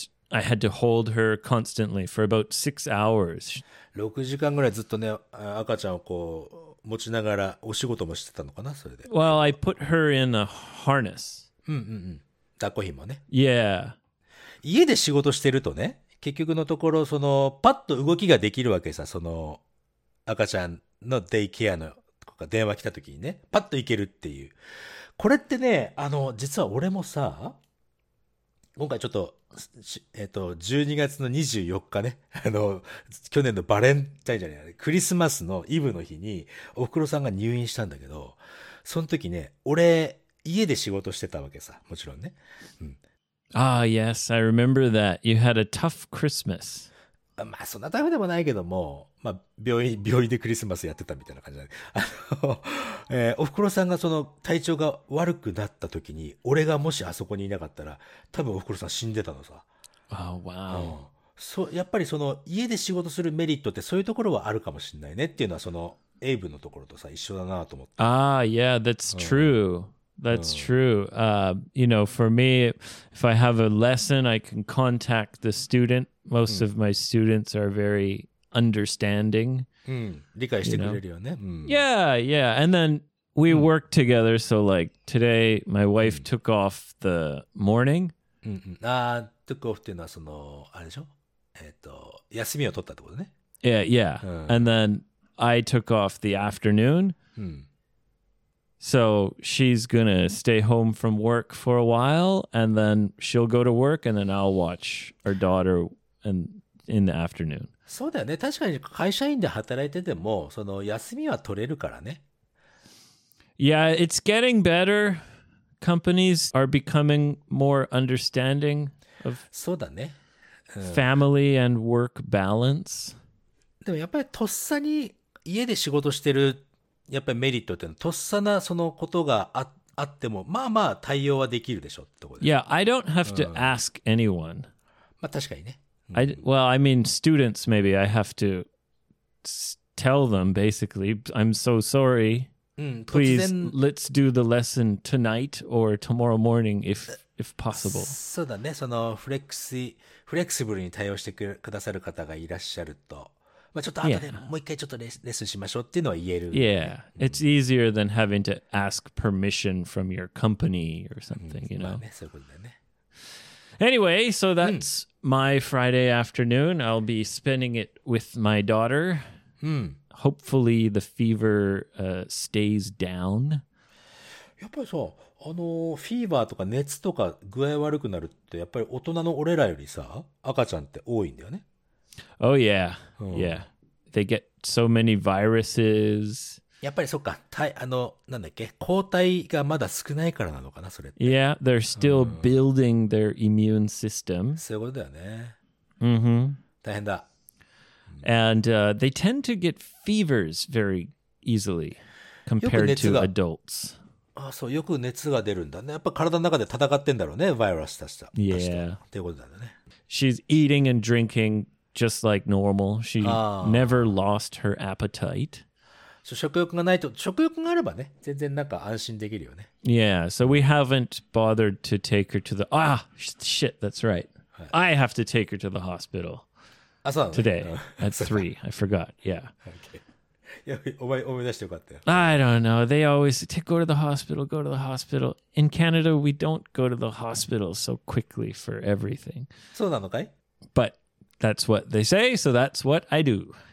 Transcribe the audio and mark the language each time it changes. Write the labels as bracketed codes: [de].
[en] I had to hold her constantly for about 6 hours. [ja] 6時間ぐらいずっとね、赤ちゃんをこう持ちながらお仕事もしてたのかな、それで。 [en] Well, I put her in a harness. [ja] 抱っこひもね。 [en] Yeah. [ja] 家で仕事してるとね、結局のところ、パッと動きができるわけさ、赤ちゃんのデイケアのとか電話来た時にね、パッと行けるっていう。これってね、実は俺もさ、今回ちょっと、12月の24日ね、去年のバレンタインじゃない、クリスマスのイブの日に、おふくろさんが入院したんだけど、その時ね、俺、家で仕事してたわけさ、もちろんね。 [en] Ah, yes, I remember that. You had a tough Christmas. [ja] まあ、そんなタイプでもないけども、まあ、病院でクリスマスやってたみたいな感じだね。おふくろさんがその体調が悪くなった時に、俺がもしあそこにいなかったら、多分おふくろさん死んでたのさ。 [en] Oh, wow. [ja] やっぱりその家で仕事するメリットってそういうところはあるかもしれないねっていうのは、そのエイブのところとさ、一緒だなと思って。 [en] Ah, yeah, that's true. That's true. For me, if I have a lesson, I can contact the student. Most of my students are very understanding, [ja] 理解してくれるよね。 [en] And then we work together. So, like today, my wife took off the morning. took off [ja] っていうのはその、あれでしょ？休みを取ったってことね。 [en] And then I took off the afternoon. So she's gonna stay home from work for a while, and then she'll go to work, and then I'll watch our daughter in the afternoon. [ja] そうだよね。確かに会社員で働いてても、その休みは取れるからね。 [en] Yeah, it's getting better. Companies are becoming more understanding of [ja] そうだね。 [en] family and work balance. [ja] でもやっぱりとっさに家で仕事してる、やっぱりメリットっていうのは、とっさなそのことがあっても、まあまあ対応はできるでしょってとこでしょ。 [en] Yeah, I don't have to ask anyone. [ja] まあ確かにね。 [en] I mean, students, maybe I have to tell them basically, I'm so sorry. [ja] 突 [en] Please [ja] 然。 [en] let's do the lesson tonight or tomorrow morning if possible. [ja] そうだね。そのフレクシブルに対応してくださる方がいらっしゃると。まあ、ちょっと後でもう一回ちょっとレッスンしましょうっていうのは言えるよね。 [en] It's easier than having to ask permission from your company or something, you [ja] まあ [en] know? [ja] ね、そういうことだよね。 [en] Anyway, so that's my Friday afternoon. I'll be spending it with my daughter. Hopefully the fever, stays down. [ja] やっぱりさ、フィーバーとか熱とか具合悪くなるって、やっぱり大人の俺らよりさ、赤ちゃんって多いんだよね。 [en] Oh yeah. They get so many viruses. [ja] やっぱりそっか、なんだっけ、抗体がまだ少ないからなのかな、それって。 [en] Yeah, they're still building their immune system. [ja] そういうことだよね。大変だ。 [en] And they tend to get fevers very easily [ja] よく [en] compared [ja] 熱 [en] to [ja] が、 [en] adults. [ja] ああ、そう、よく熱が出るんだね。やっぱ体の中で戦ってんだろうね、ヴァイルスたちと。っていうことなんだね。 [en] She's eating and drinking just like normal. She never lost her appetite. [ja] 食欲がないと、食欲があればね、全然なんか安心できるよね。 [en] Yeah, so we haven't bothered to take her to the. Ah, shit, that's right. I have to take her to the hospital [ja] あ、そうなのね。 [en] today at 3. I forgot. Yeah. [ja] OK。いや、思い出してよかったよ。 [en] I don't know. They always say, go to the hospital, go to the hospital. In Canada, we don't go to the hospital so quickly for everything. [ja] そうなのかい？ [en] But that's what they say, so that's what I do.